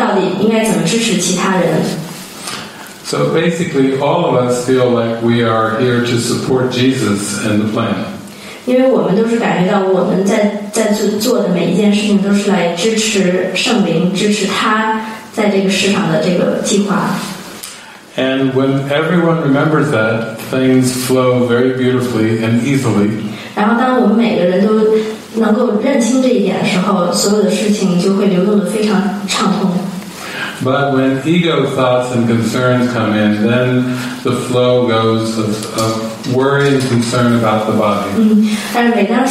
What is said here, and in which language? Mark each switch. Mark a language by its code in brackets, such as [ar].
[zh] 然后很多时候这个反抗性实际上是来源于对于怎么支持，就是说到底应该怎么支持其他人。 [en] So basically, all of us feel like we are here to support Jesus and the plan. [zh] 因为我们都是感觉到我们在做的每一件事情都是来支持圣灵，支持他在这个市场的这个计划。 [en] And when everyone remembers that, things flow very beautifully and easily. [zh] 然后当我们每个人都能够认清这一点的时候，所有的事情就会流动得非常畅通。 [en] But when ego thoughts and concerns come in, then the flow goes of worry and concern about the body.